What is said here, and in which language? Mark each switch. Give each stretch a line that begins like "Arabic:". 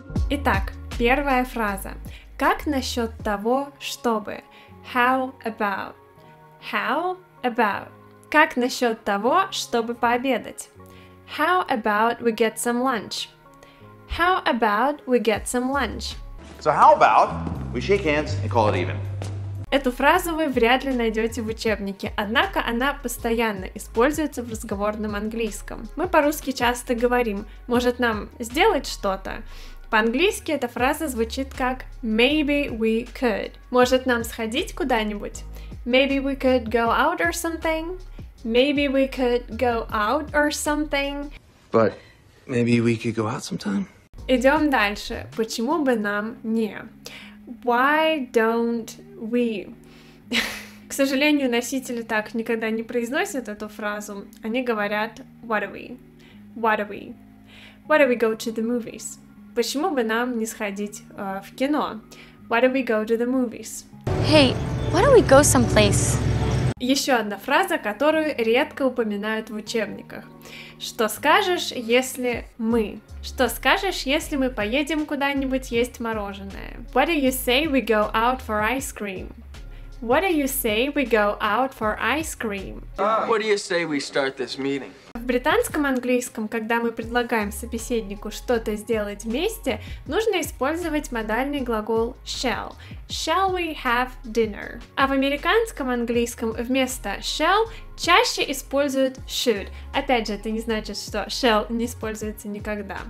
Russian: Итак, первая фраза. Как насчет того, чтобы?
English: How about? How about?
Russian: Как насчет того, чтобы пообедать?
English: How about we get some lunch? How about we get some lunch? So how about we shake hands and call it even?
Russian: Эту фразу вы вряд ли найдете в учебнике, однако она постоянно используется в разговорном английском. Мы по-русски часто говорим: может нам сделать что-то? По-английски эта фраза звучит как
English: maybe we could.
Russian: Может нам сходить куда-нибудь?
English: Maybe we could go out or something. Maybe we could go out or something. But maybe we could go out sometime.
Russian: Идем дальше. Почему бы нам не?
English: Why don't we?
Russian: К сожалению, носители так никогда не произносят эту фразу. Они говорят
English: what are we? What are we? Why don't we go to the movies?
Russian: Почему бы нам не сходить в кино?
English: Why don't we go to the movies? Hey, why don't we go someplace?
Russian: Еще одна фраза, которую редко упоминают в учебниках. Что скажешь, если мы? Что скажешь, если мы поедем куда-нибудь есть мороженое?
English: What do you say we go out for ice cream? What do you say we go out for ice cream? What do you say we start this meeting?
Russian: В британском английском, когда мы предлагаем собеседнику что-то сделать вместе, нужно использовать модальный глагол shall.
English: Shall we have dinner?
Russian: А в американском английском вместо shall чаще используют should. Опять же, это не значит, что shall не используется никогда.